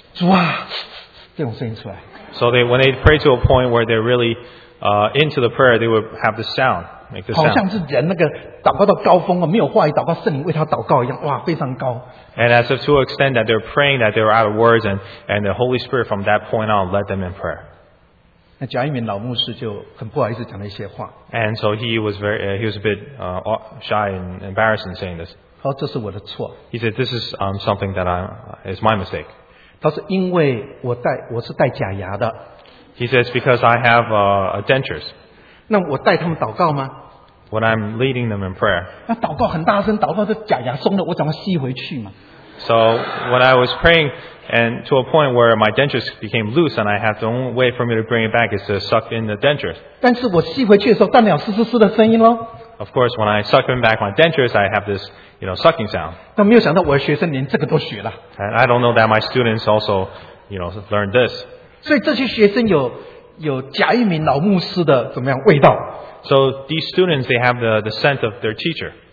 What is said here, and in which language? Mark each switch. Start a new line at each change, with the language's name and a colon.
Chinese: 他们说他们祷告到一个高峰的时候，常常会有个声音出来，主啊，这种声音出来。
English: So they, when they pray to a point where they're really into the prayer, they would have the sound, make the sound.
Chinese: 好像是人那个祷告到高峰了，没有话语祷告，圣灵为他祷告一样，哇，非常高。
English: And as if to an extent that they're praying that they were out of words, and the Holy Spirit from that point on led them in prayer.
Chinese: 那贾一鸣老牧师就很不好意思讲了一些话。
English: And so he was a bit shy and embarrassed in saying this.
Chinese: 他说这是我的错。
English: He said, this is something that is my mistake.
Chinese: 他说因为我是带假牙的。
English: He says, because I have dentures.
Chinese: 那我带他们祷告吗？
English: When I'm leading them in prayer.
Chinese: 那祷告很大声，祷告这假牙松了，我怎么吸回去嘛？
English: So when I was praying, and to a point where my dentures became loose, and I had the only way for me to bring it back is to suck in the dentures.
Chinese: 但是我吸回去的时候，带了嘶嘶嘶的声音咯。
English: Of course, when I suck in back my dentures, I have this, you know, sucking sound.
Chinese: 但没有想到我的学生连这个都学了。
English: And I don't know that my students also, you know, learned this.
Chinese: 所以这些学生有贾玉明老牧师的怎么样味道？
English: So these students, they have the scent of their teacher.